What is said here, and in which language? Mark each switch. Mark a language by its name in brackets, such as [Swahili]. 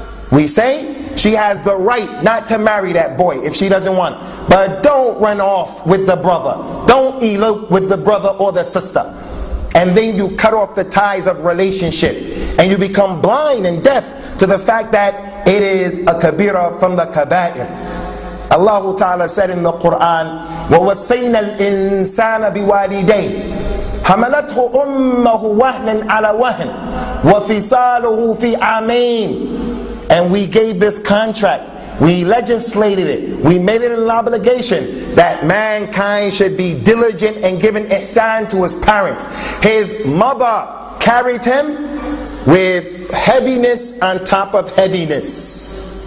[English] We say she has the right not to marry that boy if she doesn't want. But don't run off with the brother. Don't elope with the brother or the sister. And then you cut off the ties of relationship. And you become blind and deaf to the fact that it is a kabira from the kaba'ir. Allah Ta'ala said in the Qur'an, [Arabic] وَوَسَيْنَا الْإِنسَانَ بِوَالِدَيْهِ حَمَلَتْهُ أُمَّهُ وَهْنًا عَلَى وَهْنٍ وَفِصَالُهُ فِي عَامَيْنِ. [English] And we gave this contract. We legislated it. We made it an obligation that mankind should be diligent and given ihsan to his parents. His mother carried him with heaviness on top of heaviness.